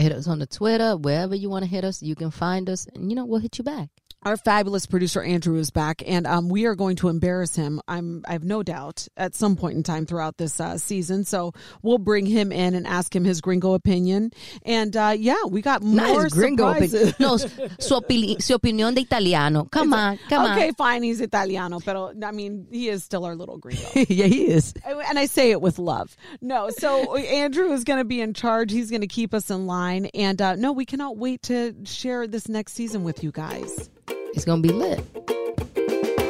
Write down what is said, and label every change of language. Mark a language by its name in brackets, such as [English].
[English] Hit us on the Twitter, wherever you want to hit us, you can find us, and, you know, we'll hit you back. Our fabulous producer, Andrew, is back, and we are going to embarrass him, I have no doubt, at some point in time throughout this season. So we'll bring him in and ask him his gringo opinion. And, yeah, we got more nice gringo surprises. [Spanish] No, su opinión de italiano. [English] Come on. Okay, fine, he's italiano, [Spanish] pero, [English] I mean, he is still our little gringo. Yeah, he is. And I say it with love. No, so Andrew is going to be in charge. He's going to keep us in line. And, no, we cannot wait to share this next season with you guys. It's going to be lit.